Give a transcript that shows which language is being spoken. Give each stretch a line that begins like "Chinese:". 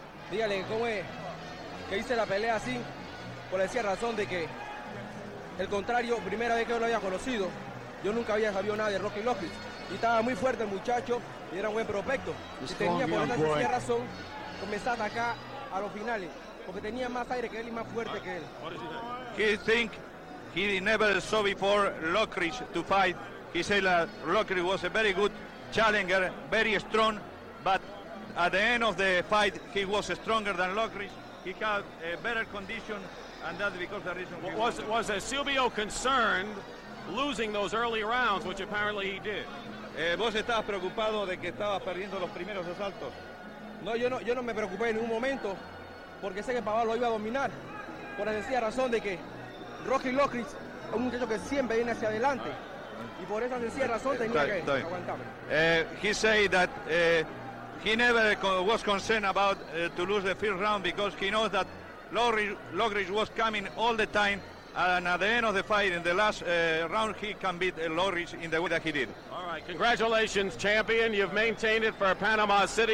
Spanish: Dígale, ¿cómo es que hice la pelea así? Por esa razón de que el contrario, primera vez que yo lo había conocido, yo nunca había sabido nada de Rocky Lockridge. Y estaba muy fuerte el muchacho y era un buen prospecto. Y tenía por esa sencilla razón comenzar a atacar a los finales. Porque tenía más aire que él y más fuerte que él.
English: He think he never saw before Lockridge to fight. He said that Lockridge was a very good challenger, very strong. But at the end of the fight, he was stronger than Lockridge. He had a better condition, and that's because the reason he was Silvio concerned losing those early rounds, which apparently he did.
Spanish: ¿Vos estabas preocupado de que estabas perdiendo los primeros asaltos? No, yo no me preocupé en ningún momento, porque sé que Pavón lo iba a dominar, por la sencilla razón de que Rocky Lockridge es un muchacho que siempre viene hacia adelante, y por esa sencilla razón tenía que aguantarme.
English: He said that he never was concerned about to lose the first round, because he knows that Lockridge was coming all the time. And at the end of the fight, in the last round, he can beat Lockridge in the way that he did. All right, congratulations, champion. You've maintained it for Panama City.